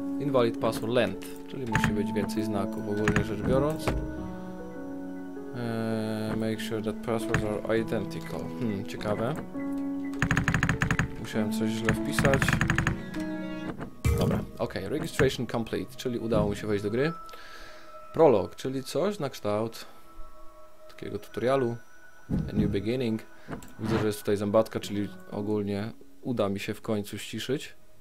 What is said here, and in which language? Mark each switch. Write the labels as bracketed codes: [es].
[en] Invalid password length, [pl] czyli musi być więcej znaków ogólnie rzecz biorąc. [en] Make sure that passwords are identical. [pl] Ciekawe. Musiałem coś źle wpisać. Dobra, ok. [en] Registration complete, [pl] czyli udało mi się wejść do gry. Prolog, czyli coś na kształt takiego tutorialu. [en] A new beginning. [pl] Widzę, że jest tutaj zębatka, czyli ogólnie uda mi się w końcu ściszyć.